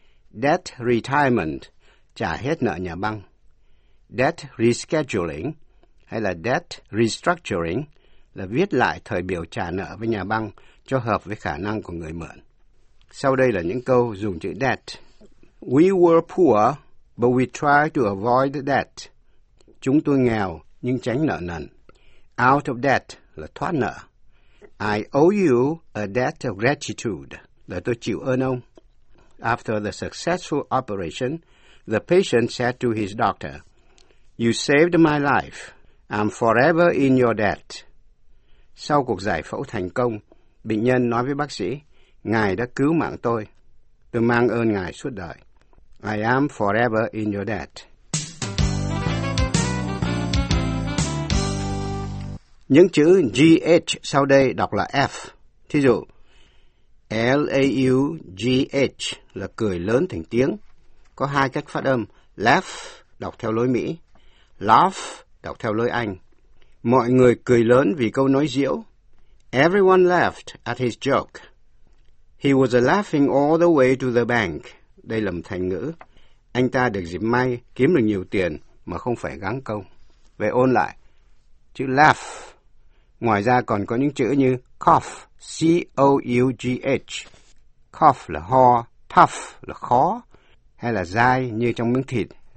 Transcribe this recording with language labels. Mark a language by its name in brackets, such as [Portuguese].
[Vietnamese] Debt retirement, trả hết nợ nhà băng. Debt rescheduling hay là debt restructuring là viết lại thời biểu trả nợ với nhà băng cho hợp với khả năng của người mượn. Sau đây là những câu dùng chữ debt. [English] We were poor, but we tried to avoid debt. [Vietnamese] Chúng tôi nghèo, nhưng tránh nợ nần. [English] Out of debt [Vietnamese] là thoát nợ. [English] I owe you a debt of gratitude, [Vietnamese] là tôi chịu ơn ông. [English] After the successful operation, the patient said to his doctor, you saved my life. I'm forever in your debt. [Vietnamese] Sau cuộc giải phẫu thành công, bệnh nhân nói với bác sĩ, ngài đã cứu mạng tôi mang ơn ngài suốt đời. [English] I am forever in your debt. [Vietnamese] Những chữ GH sau đây đọc là F. Thí dụ, L-A-U-G-H là cười lớn thành tiếng. Có hai cách phát âm, laugh đọc theo lối Mỹ, laugh đọc theo lối Anh. Mọi người cười lớn vì câu nói diễu. [English] Everyone laughed at his joke. He was laughing all the way to the bank. [Vietnamese] Đây là một thành ngữ. Anh ta được dịp may kiếm được nhiều tiền mà không phải gắng công. Vậy ôn lại, chữ laugh. Ngoài ra còn có những chữ như cough, C-O-U-G-H. Cough là ho, tough là khó, hay là dai như trong miếng thịt.